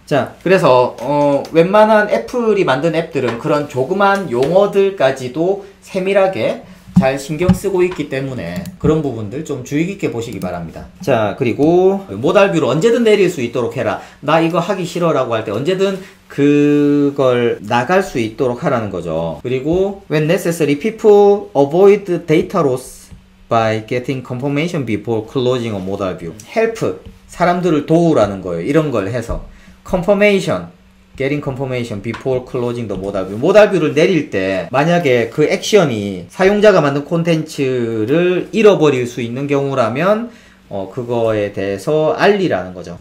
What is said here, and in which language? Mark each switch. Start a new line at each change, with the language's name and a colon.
Korean: 자, 그래서 웬만한 애플이 만든 앱들은 그런 조그만 용어들까지도 세밀하게 잘 신경 쓰고 있기 때문에 그런 부분들 좀 주의 깊게 보시기 바랍니다. 자, 그리고 모달 뷰를 언제든 내릴 수 있도록 해라. 나 이거 하기 싫어 라고 할 때 언제든 그걸 나갈 수 있도록 하라는 거죠. 그리고
English: when necessary people avoid data loss by getting confirmation before closing a modal view.
Korean: help 사람들을 도우라는 거예요. 이런 걸 해서
English: confirmation getting confirmation before closing the modal view.
Korean: 모달 뷰를 내릴 때 만약에 그 액션이 사용자가 만든 콘텐츠를 잃어버릴 수 있는 경우라면 그거에 대해서 알리라는 거죠.